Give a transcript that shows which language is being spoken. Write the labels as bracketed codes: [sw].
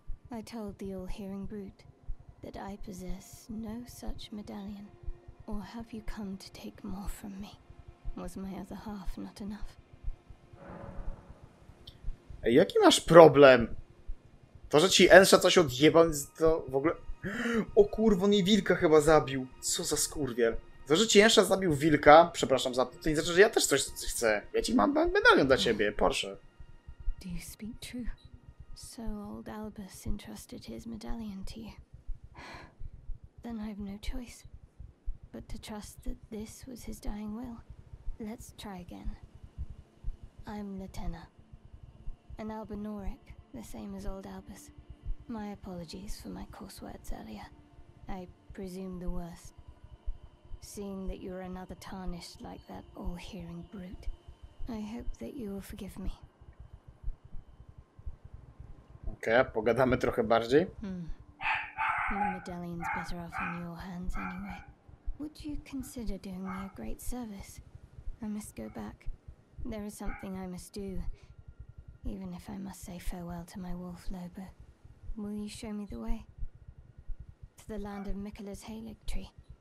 [en] I told the all-hearing brute that I possess no such medallion. Or have you come to take more from me? Was my other half not enough? [pl] Ej, jaki masz problem? To, że ci Ensza coś odjebał, to w ogóle... O kurwa, on jej wilka chyba zabił. Co za skurwiel. To, że ci Ensza zabił wilka, przepraszam za to, to nie znaczy, że ja też coś chcę. Ja ci mam medalion dla ciebie, proszę. [en] Do you speak true? So old Albus entrusted his medallion to you. Then I have no choice. But to trust that this was his dying will. Let's try again. I'm Latena. An Albinoric, the same as old Albus. My apologies for my coarse words earlier. I presume the worst. Seeing that you're another tarnished like that all-hearing brute, I hope that you will forgive me. [pl] Okay, pogadamy trochę bardziej. [en] The medallion's better off in your hands anyway. Would you consider doing me a great service? I must go back. There is something I must do. Even if I must say farewell to my wolf Lobo. Will you show me the way? To the land of Mikola's Halig tree.